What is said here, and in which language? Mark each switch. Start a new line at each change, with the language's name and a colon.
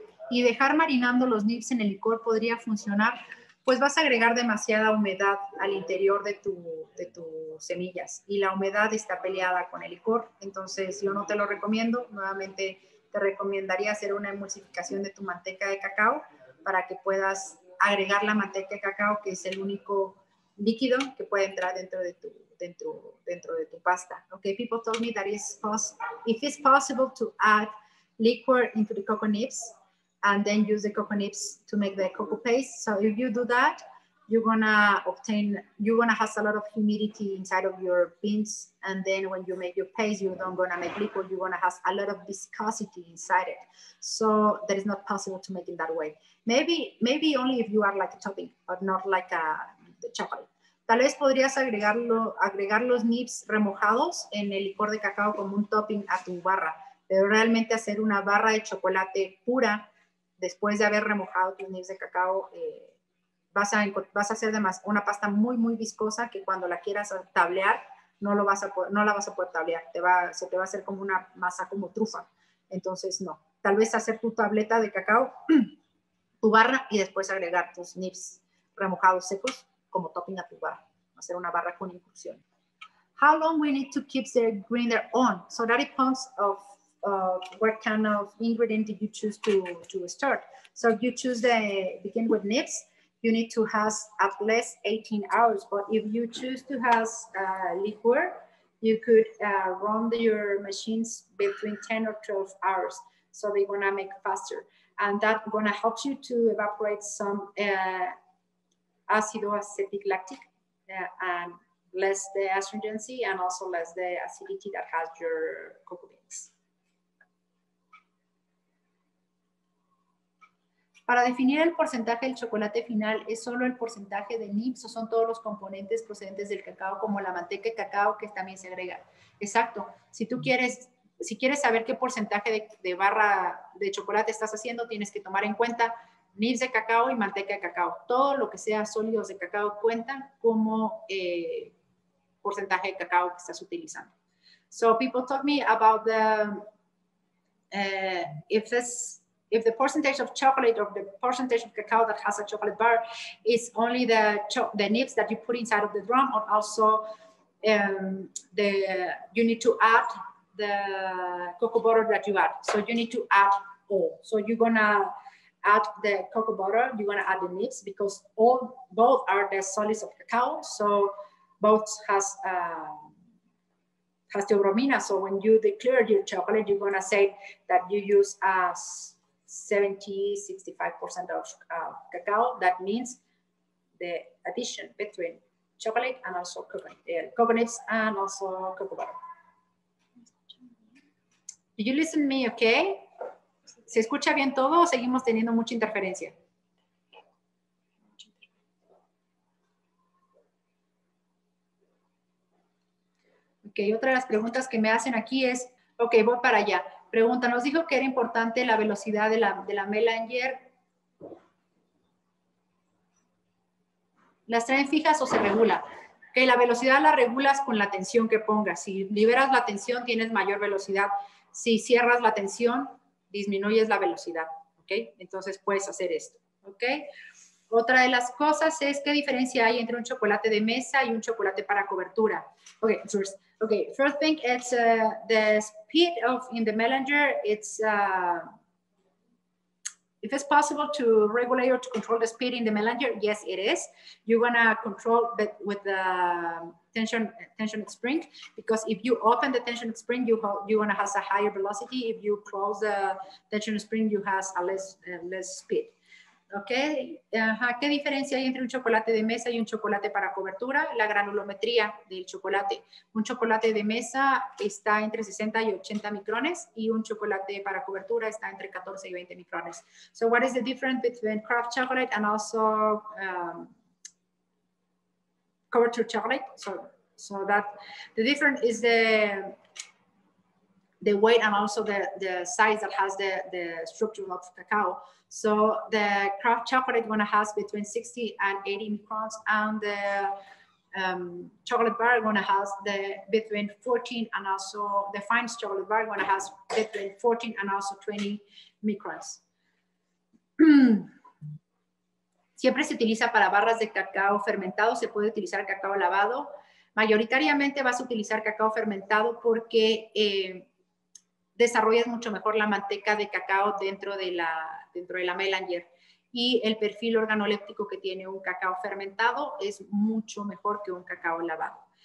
Spanish: Y dejar marinando los nips en el licor podría funcionar, pues vas a agregar demasiada humedad al interior de tus semillas y la humedad está peleada con el licor. Entonces yo no te lo recomiendo, nuevamente te recomendaría hacer una emulsificación de tu manteca de cacao para que puedas agregar la manteca de cacao, que es el único líquido que puede entrar dentro de tu pasta.
English: Okay, people told me that it's possible to add liquor into the cocoa nips and then use the cocoa nibs to make the cocoa paste. So if you do that, you're gonna have a lot of humidity inside of your beans. And then when you make your paste, you don't gonna make liquid, you're gonna have a lot of viscosity inside it. So that is not possible to make in that way. Maybe only if you are like a topping, but not like the chocolate.
Spanish: Tal vez podrías agregar los nibs remojados en el licor de cacao como un topping a tu barra, pero realmente hacer una barra de chocolate pura después de haber remojado tus nibs de cacao, vas a hacer además una pasta muy, muy viscosa que cuando la quieras tablear, no la vas a poder tablear. Se te va a hacer como una masa, como trufa. Entonces, no. Tal vez hacer tu tableta de cacao, tu barra, y después agregar tus nibs remojados secos como topping a tu barra. Hacer una barra con incursión.
English: How long we need to keep the grinder on? So that depends of what kind of ingredient did you choose to start. So if you choose the begin with nibs, you need to have at least 18 hours. But if you choose to have liquor, you could run your machines between 10 or 12 hours. So they're gonna make faster. And that gonna help you to evaporate some acido acetic lactic and less the astringency and also less the acidity that has your cocoa beans.
Spanish: Para definir el porcentaje del chocolate final, ¿es solo el porcentaje de nibs o son todos los componentes procedentes del cacao, como la manteca de cacao que también se agrega? Exacto. Si tú quieres, si quieres saber qué porcentaje de barra de chocolate estás haciendo, tienes que tomar en cuenta nibs de cacao y manteca de cacao. Todo lo que sea sólidos de cacao cuenta como porcentaje de cacao que estás utilizando.
English: So people told me about the if this if the percentage of chocolate or the percentage of cacao that has a chocolate bar is only the nibs that you put inside of the drum, or also the you need to add the cocoa butter that you add. So you need to add all. So you're gonna add the cocoa butter, you're gonna add the nibs, because all both are the solids of cacao. So both has the bromina. So when you declare your chocolate, you're gonna say that you use as 65% of cacao. That means the addition between chocolate and also coconuts and also cocoa butter. Did you listen to me okay?
Spanish: ¿Se escucha bien todo o seguimos teniendo mucha interferencia? Ok, otra de las preguntas que me hacen aquí es, ok, voy para allá. Pregunta, nos dijo que era importante la velocidad de la melanger. ¿Las traen fijas o se regula? Ok, la velocidad la regulas con la tensión que pongas. Si liberas la tensión, tienes mayor velocidad. Si cierras la tensión, disminuyes la velocidad, ¿ok? Entonces puedes hacer esto, ¿ok? Otra de las cosas es, ¿qué diferencia hay entre un chocolate de mesa y un chocolate para cobertura?
English: Ok, first thing, it's the speed of in the melanger, it's, if it's possible to regulate or to control the speed in the melanger, yes, it is. You're gonna control it with the tension spring, because if you open the tension spring, you wanna have a higher velocity. If you close the tension spring, you have a less speed.
Spanish: Okay, ¿qué diferencia hay entre un chocolate de mesa y un chocolate para cobertura? La granulometría del chocolate. Un chocolate de mesa está entre 60 y 80 micrones y un chocolate para cobertura está entre 14 y 20 micrones.
English: So what is the difference between craft chocolate and also coverture chocolate? So that the difference is the weight and also the size that has the structure of cacao. So the craft chocolate gonna have between 60 and 80 microns, and the chocolate bar gonna have the between 14 and also the fine chocolate bar gonna have between 14 and also 20 microns.
Spanish: Siempre se utiliza para barras de cacao fermentado, se puede utilizar cacao lavado. Mayoritariamente vas a utilizar cacao fermentado porque desarrollas mucho mejor la manteca de cacao dentro de la melanger, y el perfil organoléptico que tiene un cacao fermentado es mucho mejor que un cacao lavado.